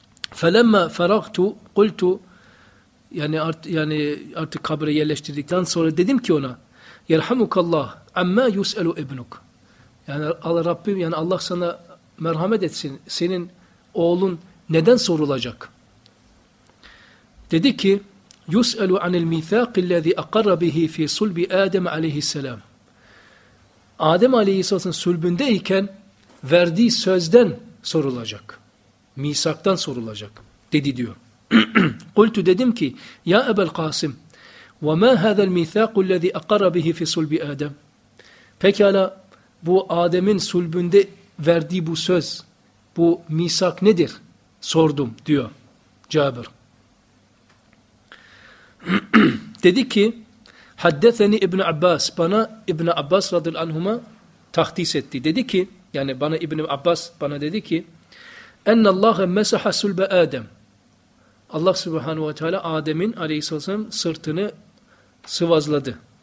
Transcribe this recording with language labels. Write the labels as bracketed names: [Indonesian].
[Arabic] فَلَمَّا فَرَغْتُ قُلْتُ [Turkish] yani artık kabre yerleştirdikten sonra dedim ki ona [Arabic] يَرْحَمُكَ اللّٰهُ عَمَّا يُسْأَلُ اِبْنُكُ [Turkish] yani Rabbim, yani Allah sana merhamet etsin. Senin oğlun neden sorulacak? Dedi ki, [Arabic] يُسْأَلُ عَنِ الْمِيثَاقِ الَّذِي اَقَرَّ بِهِ فِي صُلْبِ آدَمَ عَلَيْهِ السَّلَامِ [Turkish] Adem Aleyhisselam'ın sülbündeyken verdiği sözden sorulacak. Misaktan sorulacak. Dedi diyor. [Arabic] قُلْتُ [Turkish] dedim ki, [Arabic] يَا اَبَا الْقَاسِمْ وَمَا هَذَا الْمِيثَاقُ الَّذِي اَقَرَّ بِهِ فِي صُلْبِ آدَمَ [Turkish] pekala, bu Adem'in sulbünde verdiği bu söz, bu misak nedir? Sordum diyor Cabir. Dedi ki, haddeseni İbn Abbas, bana İbn Abbas radıyallahu anhuma tahdis etti. Dedi ki, yani bana İbn Abbas bana dedi ki, [Arabic] ennallâhe mesaha sulbe Adem. [Turkish] Allah subhanahu ve teala Adem'in aleyhisselam sırtını sıvazladı.